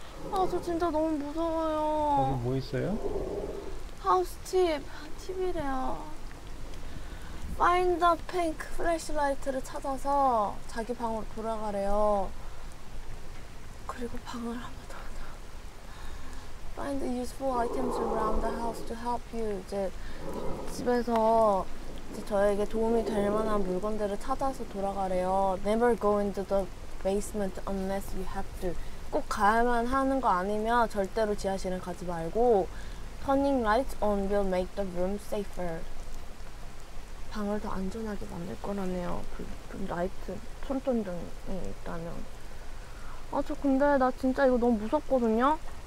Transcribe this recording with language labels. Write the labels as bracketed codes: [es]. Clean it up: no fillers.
[ko] 아, 저 진짜 너무 무서워요. 거기 뭐 있어요? 하우스팁, TV래요. 파인더 핑크 플래시라이트를 찾아서 자기 방으로 돌아가래요. 그리고 방을 한 번 더. [en] Find useful items around the house to help you. [ko] 이제 집에서 이제 저에게 도움이 될 만한 물건들을 찾아서 돌아가래요. [en] Never go into the basement unless you have to. [ko] 꼭 가야만 하는 거 아니면 절대로 지하실은 가지 말고 [en] Turning lights on will make the room safer. [ko] 방을 더 안전하게 만들 거라네요. 그 라이트, 손전등이 있다면. 아, 저 근데 나 진짜 이거 너무 무섭거든요?